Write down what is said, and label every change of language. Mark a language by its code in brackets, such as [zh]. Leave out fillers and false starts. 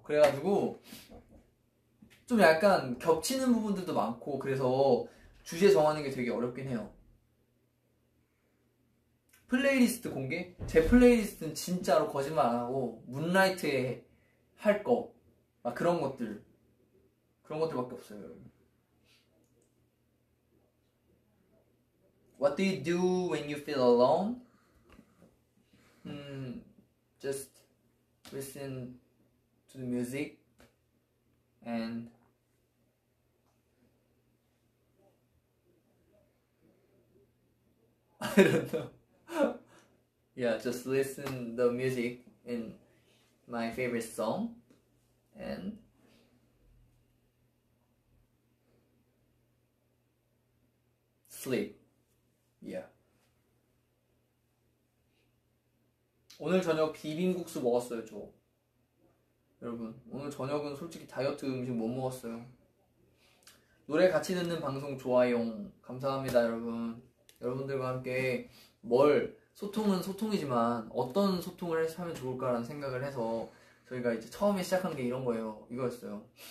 [ko] 그래가지고 좀 약간 겹치는 부분들도 많고 그래서 주제 정하는 게 되게 어렵긴 해요. 플레이리스트 공개? 제 플레이리스트는 진짜로 거짓말 안 하고 문라이트에 할 거 막 그런 것들 그런 것들밖에 없어요, 여러분. [en] What do you do when you feel alone? Just listen to the music and I don't know. Yeah, just listen the music in my favorite song and sleep. Yeah. [ko] 오늘 저녁 비빔국수 먹었어요, 저. 여러분, 오늘 저녁은 솔직히 다이어트 음식 못 먹었어요. 노래 같이 듣는 방송 좋아요. 감사합니다, 여러분. 여러분들과 함께 뭘 소통은 소통이지만 어떤 소통을 하면 좋을까라는 생각을 해서 저희가 이제 처음에 시작한 게 이런 거예요. 이거였어요.